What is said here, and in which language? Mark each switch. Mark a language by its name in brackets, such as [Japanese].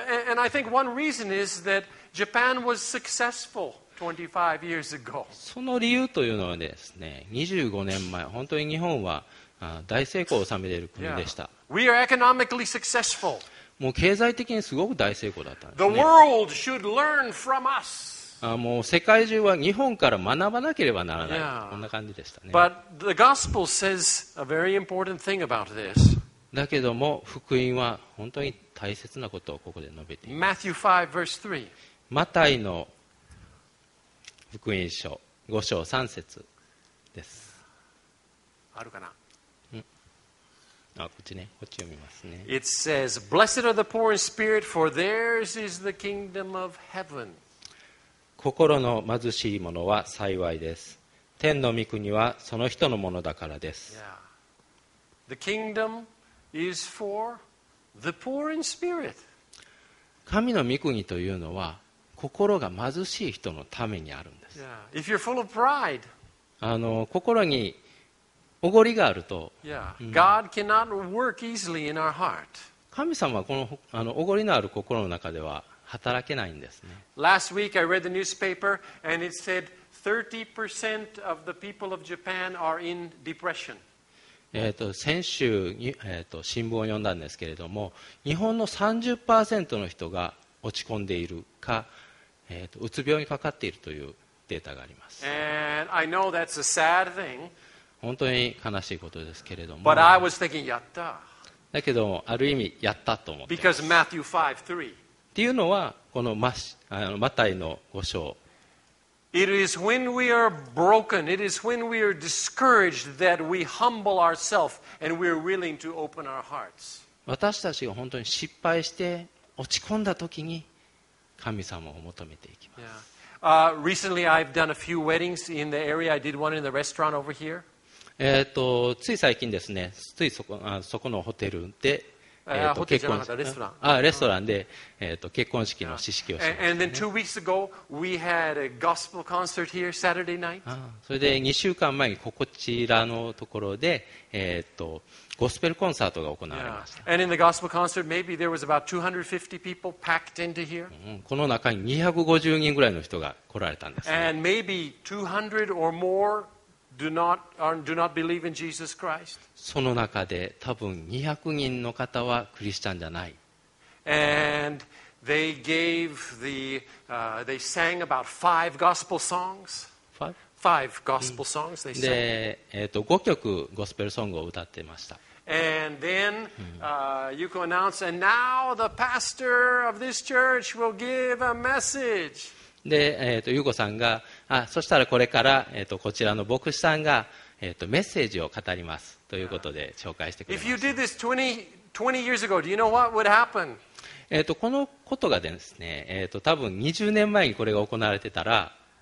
[English] And I think one reason is that Japan was successful 25 years ago. [Japanese] その理由というのはですね、25年前、本当に日本は大成功を収めている国でした。 [English] We are economically successful. [Japanese] もう経済的にすごく大成功だったんですね。 [English] The world should learn from us. [Japanese] もう世界中は日本から学ばなければならない。Yeah. こんな感じでしたね。 [English] But the gospel says a very important thing about this. [Japanese] だけども福音は本当に大切なことをここで述べています。 [English] Matthew 5 verse 3. [Japanese] マタイの福音書5章3節です。あるかな。こっち読みますね、 [English] It says, "Blessed are the poor in spirit, for theirs is the kingdom of heaven." [Japanese] 心の貧しい者は幸いです。天の御国はその人のものだからです。 [English] The kingdom is for the poor in spirit. [Japanese] 神の御国というのは心が貧しい人のためにあるんです。 [English] Yeah. If you're full of pride, [Japanese] 心におごりがあると、 [English] God cannot work easily in our heart. [Japanese] 神様はこの、おごりのある心の中では働けないんですね。 [English] Last week I read the newspaper and it said 30% of the people of Japan are in depression. [Japanese] 先週、新聞を読んだんですけれども、日本の 30% の人が落ち込んでいるか、うつ病にかかっているというデータがあります。 [English] And I know that's a sad thing, [Japanese] 本当に悲しいことですけれども [English] But I was thinking, [Japanese] やっただけどある意味やったと思って [English] Because Matthew 5:3 [Japanese] っていうのはこのマタイの5章 [English] It is when we are broken, it is when we are discouraged that we humble ourselves and we are willing to open our hearts. [Japanese] 私たちが本当に失敗して落ち込んだ時に神様を求めていきます。 [English] Recently, I've done a few weddings in the area. I did one in the restaurant over here. [Japanese] つい最近ですね、ついそこのホテルで、結婚式、レストランで、結婚式の式式をしました、ね。 [English] And then 2 weeks ago, we had a gospel concert here Saturday night. [Japanese] それで2週間前にこちらのところで、ゴスペルコンサートが行われました。 Yeah. [English] And in the gospel concert, maybe there was about 250 people packed into here. [Japanese] この中に250人ぐらいの人が来られたんです、ね。 [English] And maybe 200 or more do not believe in Jesus Christ. [Japanese] その中で多分200人の方はクリスチャンじゃない。 [English] And they gave the, they sang about five gospel songs. Five gospel songs they sang. [Japanese] で、5曲ゴスペルソングを歌ってました。 [English] And then you can announce, and now the pastor of this church will give a message. [Japanese] で、ゆうこさんが、あ、そしたらこれから、こちらの牧師さんが、メッセージを語りますということで紹介してくれました。 [English] If you did this 20 years ago, do you know what would happen? [Japanese] このことがですね、多分20年前にこれが行われてたら、